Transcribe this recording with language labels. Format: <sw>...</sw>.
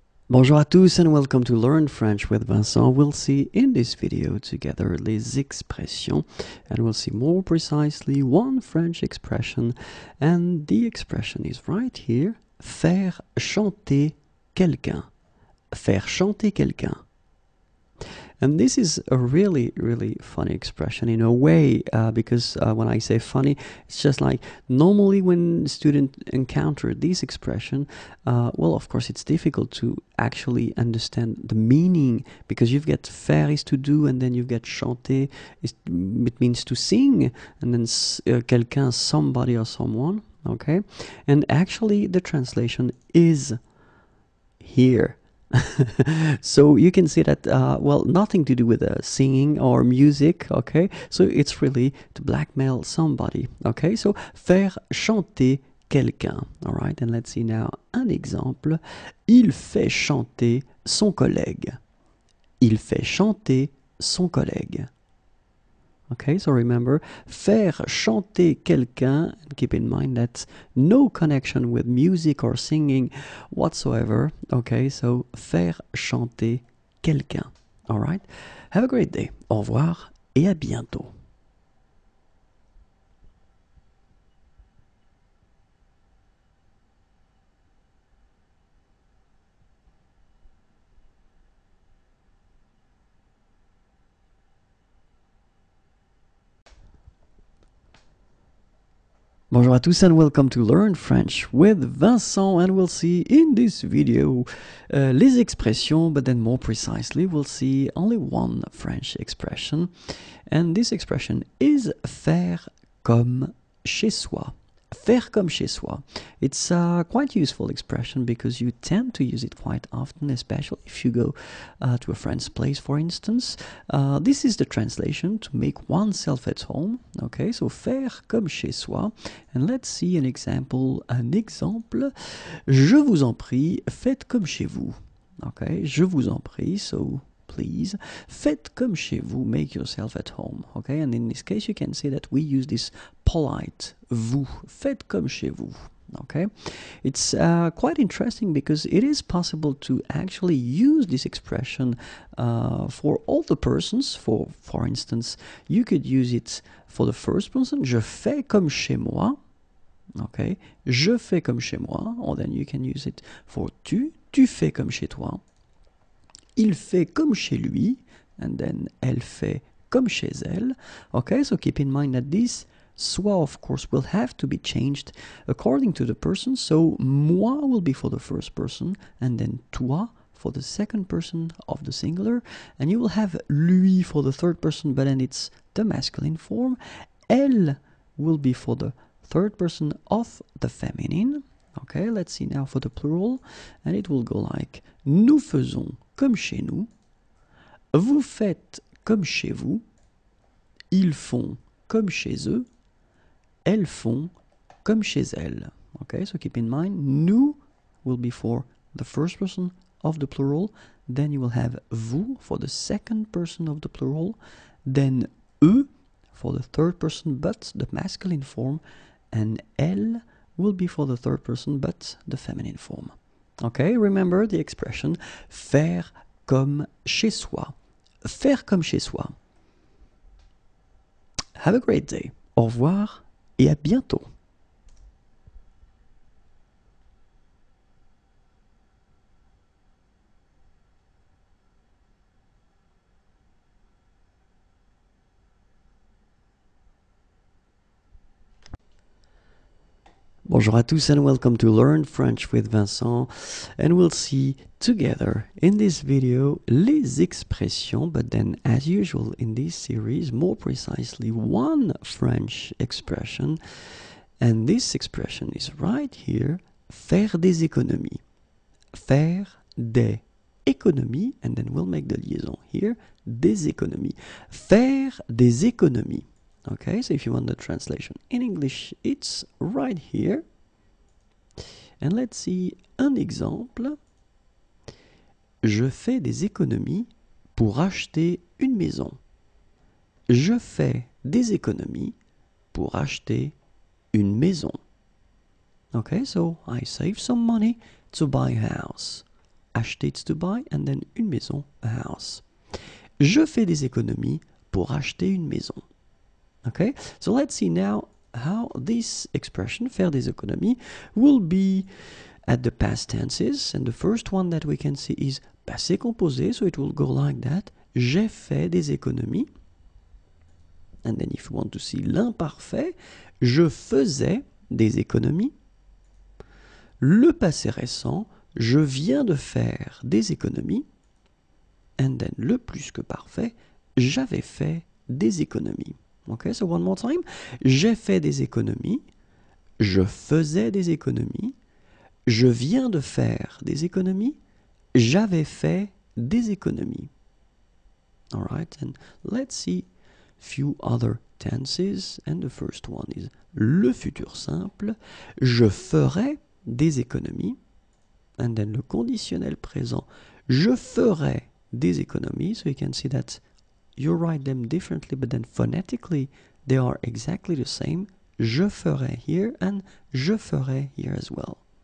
<fr>Bonjour à tous</fr> <en>and welcome to Learn French with Vincent. We'll see in this video together les expressions and we'll see more precisely one French expression and the expression is right here,</en> <fr>faire chanter quelqu'un. Faire chanter quelqu'un.</fr> <en>And this is a really, really funny expression in a way, because when I say funny, it's just like normally when students encounter this expression, well, of course, it's difficult to actually understand the meaning because you've got faire is to do and then you've got chanter, it means to sing, and then quelqu'un, somebody or someone, okay? And actually, the translation is here. So you can see that, well, nothing to do with singing or music, okay? So it's really to blackmail somebody, okay? So</en> <fr>faire chanter quelqu'un,</fr> <en>all right? And let's see now an example.</en> <fr>Il fait chanter son collègue. Il fait chanter son collègue.</fr> <en>Okay, so remember,</en> <fr>faire chanter quelqu'un,</fr> <en>and keep in mind that no connection with music or singing whatsoever. Okay, so</en> <fr>faire chanter quelqu'un.</fr> <en>All right, have a great day.</en> <fr>Au revoir et à bientôt. Bonjour à tous</fr> <en>and welcome to Learn French with Vincent and we'll see in this video les expressions but then more precisely we'll see only one French expression and this expression is</en> <fr>faire comme chez soi. Faire comme chez soi.</fr> <en>It's a quite useful expression because you tend to use it quite often, especially if you go to a friend's place, for instance. This is the translation, to make oneself at home. Okay, so</en> <fr>faire comme chez soi.</fr> <en>And let's see an example. An example.</en> <fr>Je vous en prie, faites comme chez vous.</fr> <en>Okay,</en> <fr>je vous en prie,</fr> <en>so please,</en> <fr>faites comme chez vous,</fr> <en>make yourself at home, okay? And in this case, you can say that we use this polite, vous,</en> <fr>faites comme chez vous,</fr> <en>okay? It's quite interesting because it is possible to actually use this expression for all the persons. For instance, you could use it for the first person,</en> <fr>je fais comme chez moi,</fr> <en>okay?</en> <fr>Je fais comme chez moi,</fr> <en>or then you can use it for</en> <fr>tu, tu fais comme chez toi. Il fait comme chez lui, and then elle fait comme chez elle.</fr> <en>Okay, so keep in mind that this soi, of course, will have to be changed according to the person. So moi will be for the first person, and then toi for the second person of the singular. And you will have lui for the third person, but then it's the masculine form. Elle will be for the third person of the feminine. Okay, let's see now for the plural. And it will go like</en> <fr>nous faisons. Comme chez nous, vous faites comme chez vous, ils font comme chez eux, elles font comme chez elles.</fr> <en>Okay, so keep in mind, nous will be for the first person of the plural, then you will have vous for the second person of the plural, then eux for the third person but the masculine form, and elle will be for the third person but the feminine form. Okay, remember the expression</en> <fr>faire comme chez soi. Faire comme chez soi.</fr> <en>Have a great day.</en> <fr>Au revoir et à bientôt. Bonjour à tous</fr> <en>and welcome to Learn French with Vincent. And we'll see together in this video les expressions, but then as usual in this series, more precisely one French expression. And this expression is right here,</en> <fr>faire des économies. Faire des économies,</fr> <en>and then we'll make the liaison here, des économies.</en> <fr>Faire des économies.</fr> <en>Okay, so if you want the translation in English, it's right here. And let's see an example.</en> <fr>Je fais des économies pour acheter une maison. Je fais des économies pour acheter une maison.</fr> <en>Okay, so I save some money to buy a house. Acheter, it's to buy, and then une maison, a house.</en> <fr>Je fais des économies pour acheter une maison.</fr> <en>Okay, so let's see now how this expression,</en> <fr>faire des économies,</fr> <en>will be at the past tenses. And the first one that we can see is passé composé, so it will go like that.</en> <fr>J'ai fait des économies.</fr> <en>And then if you want to see l'imparfait,</en> <fr>je faisais des économies. Le passé récent, je viens de faire des économies.</fr> <en>And then</en> <fr>le plus que parfait, j'avais fait des économies.</fr> <en>Okay, so one more time.</en> <fr>J'ai fait des économies. Je faisais des économies. Je viens de faire des économies. J'avais fait des économies.</fr> <en>All right, and let's see a few other tenses. And the first one is</en> <fr>le futur simple. Je ferai des économies.</fr> <en>And then</en> <fr>le conditionnel présent. Je ferai des économies.</fr> <en>So you can see that you write them differently, but then phonetically, they are exactly the same.</en> <fr>Je ferai</fr> <en>here and</en> <fr>je ferai</fr> <en>here as well.</en>